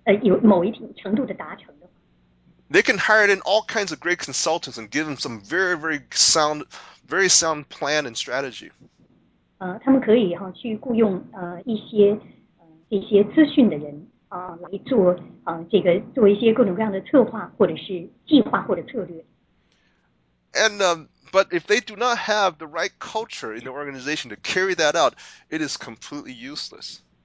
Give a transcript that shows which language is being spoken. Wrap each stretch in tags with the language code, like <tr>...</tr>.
<zh>如果一个公司想去达到某一个目标，或者是某一种它的一种有某一定程度的达成的话，</zh> <en>They can hire in all kinds of great consultants and give them some very sound plan and strategy.</en> <zh>他们可以去雇佣一些资讯的人来做一些各种各样的策划，或者是计划或者策略。</zh> <en>But if they do not have the right culture in the organization to carry that out, it is completely useless.</en>